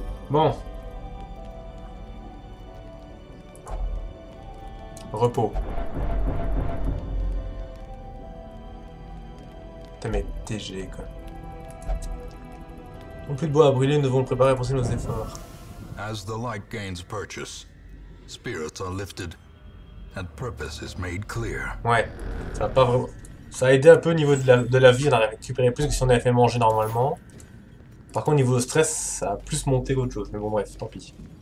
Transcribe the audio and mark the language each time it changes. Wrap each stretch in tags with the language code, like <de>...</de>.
<fr>Bon. Repos. T'as mis TG, quoi. Non plus de bois à brûler, nous devons le préparer pour nos efforts.</fr> <en>As the light gains purchase, spirits are lifted, and purpose is made clear.</en> <fr>Ouais, ça va pas vraiment. Ça a aidé un peu au niveau de la vie, on a récupéré plus que si on avait fait manger normalement. Par contre, niveau stress, ça a plus monté qu'autre chose, mais bon, bref, tant pis.</fr>